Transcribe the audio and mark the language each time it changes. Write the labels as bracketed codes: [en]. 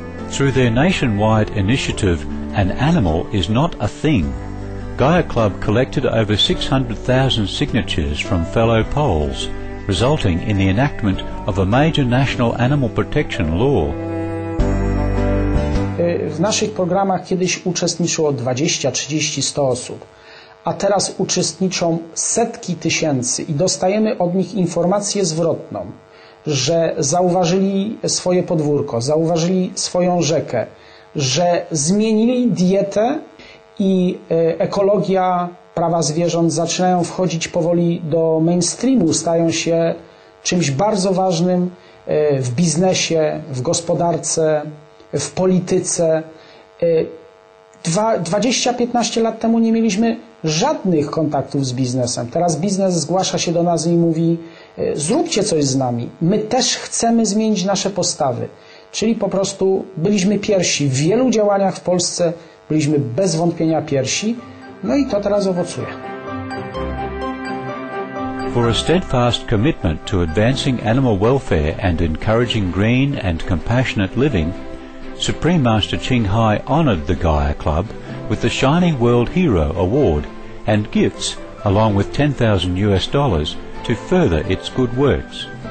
[en] Through their nationwide initiative, An Animal is Not a Thing, Gaia Club collected over 600,000 signatures from fellow Poles, resulting in the enactment of a major national animal protection law. [pl] W naszych programach kiedyś uczestniczyło 20, 30, 100 osób. A teraz uczestniczą setki tysięcy i dostajemy od nich informację zwrotną, że zauważyli swoje podwórko, zauważyli swoją rzekę, że zmienili dietę i ekologia, prawa zwierząt zaczynają wchodzić powoli do mainstreamu, stają się czymś bardzo ważnym w biznesie, w gospodarce, w polityce. 20-15 lat temu nie mieliśmy żadnych kontaktów z biznesem. Teraz biznes zgłasza się do nas i mówi: zróbcie coś z nami. My też chcemy zmienić nasze postawy. Czyli po prostu byliśmy pierwsi. W wielu działaniach w Polsce byliśmy bez wątpienia pierwsi. No i to teraz owocuje. [en] For a steadfast commitment to advancing animal welfare and encouraging green and compassionate living, Supreme Master Ching Hai honored the Gaia Club with the Shiny World Hero Award and gifts, along with $10,000 to further its good works.